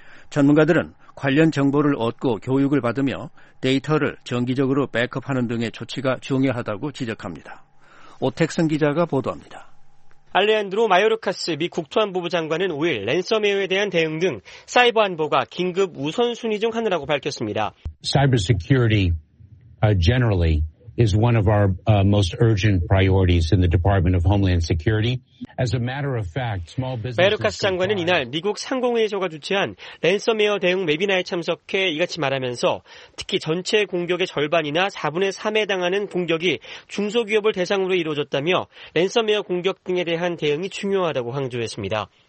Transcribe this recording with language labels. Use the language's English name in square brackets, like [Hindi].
[Korean] 전문가들은 관련 정보를 얻고 교육을 받으며 데이터를 정기적으로 백업하는 등의 조치가 중요하다고 지적합니다. 오택성 기자가 보도합니다. 알레한드로 마요르카스 미 국토안보부 장관은 5일 랜섬웨어에 대한 대응 등 사이버 안보가 긴급 우선순위 중 하나라고 밝혔습니다. [English] Cyber security generally is one of our most urgent priorities in the Department of Homeland Security. As a matter of fact, small businesses. [Korean] 마요르카스 장관은 이날 미국 상공회의소가 주최한 랜섬웨어 대응 웨비나에 참석해 이같이 말하면서 특히 전체 공격의 절반이나 4분의 3에 당하는 공격이 중소기업을 대상으로 이루어졌다며 랜섬웨어 공격 등에 대한 대응이 중요하다고 강조했습니다.